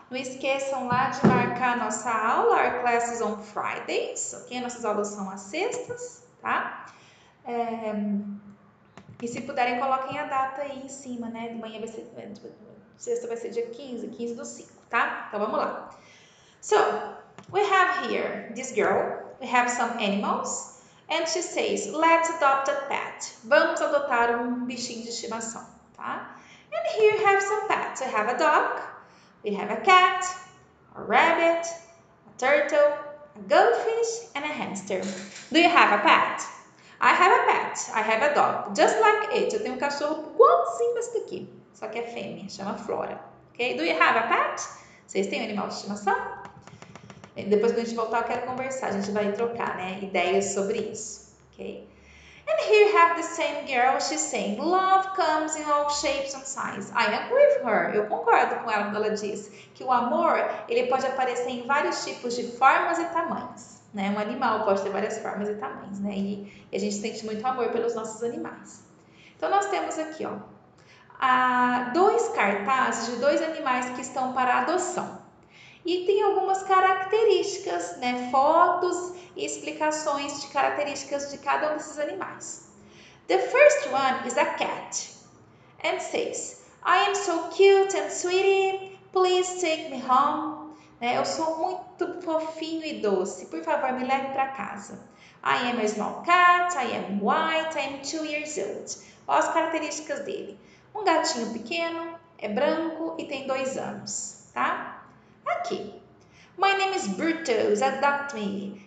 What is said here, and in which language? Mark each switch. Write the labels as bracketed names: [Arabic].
[Portuguese] Não esqueçam lá de marcar a nossa aula, [English] our classes on Fridays, ok? [Portuguese] Nossas aulas são às sextas, tá? E se puderem, coloquem a data aí em cima, né? De manhã vai ser, sexta vai ser dia 15, 15 do 5, tá? Então vamos lá. [English] So, we have here this girl, we have some animals, and she says, let's adopt a pet. [Portuguese] Vamos adotar um bichinho de estimação, tá? [English] And here we have some pets, we have a dog. We have a cat, a rabbit, a turtle, a goldfish, and a hamster. Do you have a pet? I have a pet. I have a dog. Just like it. [Portuguese] Eu tenho um cachorro igualzinho esse daqui. Só que é fêmea. Chama Flora. Okay? [English] Do you have a pet? [Portuguese] Vocês têm um animal de estimação? E depois, quando a gente voltar, eu quero conversar. A gente vai trocar, né, ideias sobre isso. Okay? [English] And here you have the same girl, she's saying, love comes in all shapes and sizes. I agree with her. [Portuguese] Eu concordo com ela quando ela diz que o amor, ele pode aparecer em vários tipos de formas e tamanhos, né? Um animal pode ter várias formas e tamanhos, né? E a gente sente muito amor pelos nossos animais. Então, nós temos aqui, ó, dois cartazes de dois animais que estão para adoção. E tem algumas características, né? Fotos e explicações de características de cada um desses animais. [English] The first one is a cat. And says, I am so cute and sweetie, please take me home. [Portuguese] Né? Eu sou muito fofinho e doce, por favor, me leve para casa. [English] I am a small cat, I am white, I am 2 years old. [Portuguese] Olha as características dele. Um gatinho pequeno, é branco e tem 2 anos, tá? [English] Aqui. My name is Brutus, adopt me.